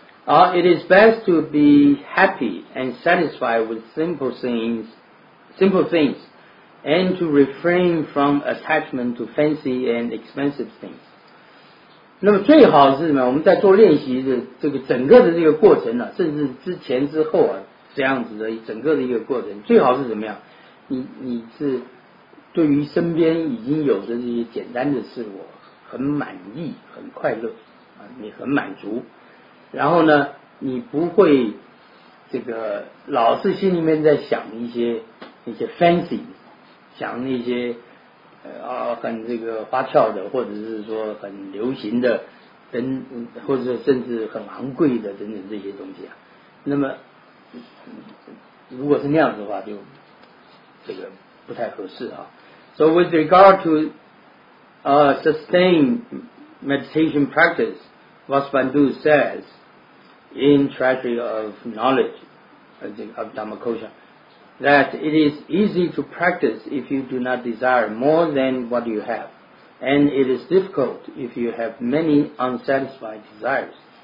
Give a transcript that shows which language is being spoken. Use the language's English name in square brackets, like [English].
[English] It is best to be happy and satisfied with simple things, and to refrain from attachment to fancy and expensive things. [Chinese] 那么最好是什么？我们在做练习的这个整个的这个过程呢、啊，甚至之前之后啊，这样子的整个的一个过程，最好是怎么样？你是对于身边已经有的这些简单的事物很满意、很快乐啊，你很满足。然后呢，你不会这个老是心里面在想那些 fancy， 想那些很这个花俏的，或者是说很流行的，等或者甚至很昂贵的等等这些东西啊。那么如果是那样子的话，就这个不太合适啊。 [English] So with regard to sustained meditation practice, Vasubandhu says. In Treasury of Knowledge of Dhammakosha that it is easy to practice if you do not desire more than what you have, and it is difficult if you have many unsatisfied desires.